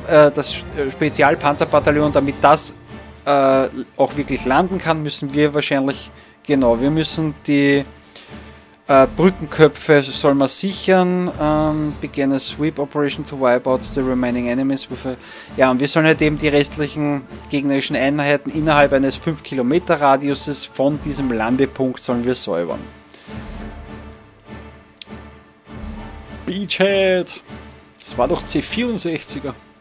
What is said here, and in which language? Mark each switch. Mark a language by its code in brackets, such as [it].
[de] das Spezialpanzerbataillon, damit das auch wirklich landen kann, müssen wir wahrscheinlich, genau, wir müssen die Brückenköpfe sollen wir sichern. [en] Begin a sweep operation to wipe out the remaining enemies. [de] Ja, und wir sollen halt eben die restlichen gegnerischen Einheiten innerhalb eines 5 Kilometer Radiuses von diesem Landepunkt sollen wir säubern. Beachhead! Das war doch C64er.